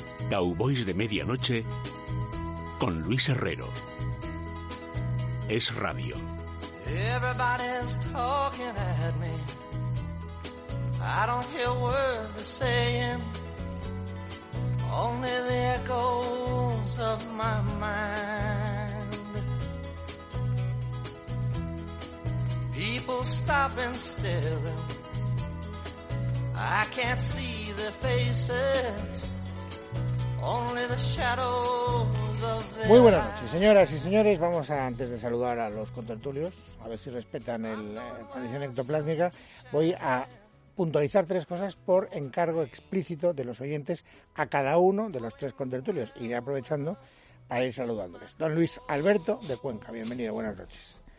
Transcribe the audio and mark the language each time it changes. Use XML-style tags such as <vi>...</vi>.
<es>Cowboys de Medianoche con Luis Herrero. Es radio.</es> <en>Everybody's talking at me. I don't hear words they're saying. Only the echoes of my mind. People stop and stare. I can't see their faces. Only the shadows of their eyes.</en> <es>Muy buenas noches, señoras y señores. Vamos a, antes de saludar a los contertulios, a ver si respetan la condición ectoplásmica, voy a puntualizar tres cosas por encargo explícito de los oyentes a cada uno de los tres contertulios. Iré aprovechando para ir saludándoles. Don Luis Alberto de Cuenca, bienvenido, buenas noches.</es>